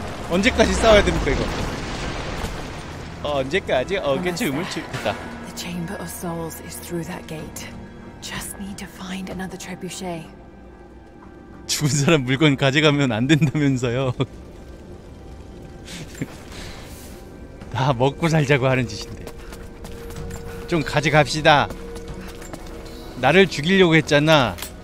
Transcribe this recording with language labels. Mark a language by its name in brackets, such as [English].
[Korean] 언제까지 싸워야 됩니까 이거? 어, 언제까지 어깨치 우물치겠다. [English] The Chamber of Souls is through that gate. Just need to find another trebuchet. [Korean] 죽은 사람 물건 가져가면 안 된다면서요? 다 먹고 살자고 하는 짓인데. 좀 가져갑시다. 나를 죽이려고 했잖아.